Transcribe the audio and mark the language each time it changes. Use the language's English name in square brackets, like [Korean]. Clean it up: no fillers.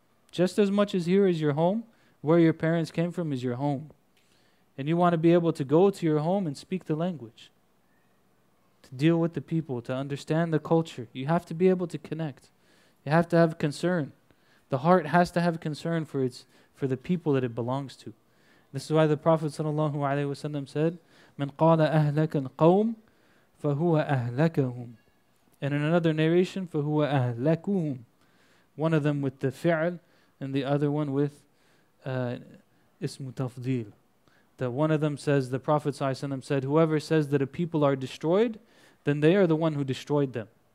[English] Just as much as here is your home, where your parents came from is your home. And you want to be able to go to your home and speak the language. To deal with the people, to understand the culture. You have to be able to connect. You have to have concern. The heart has to have concern for the people that it belongs to. This is why the Prophet ﷺ said, [Arabic] من قال أهلك القوم فهو أهلكهم. [English] And in another narration, [Arabic] فهو أهلكهم. [English] One of them with the fi'l and the other one with ism tafdil. That one of them says, the Prophet ﷺ said, whoever says that a people are destroyed, then they are the one who destroyed them.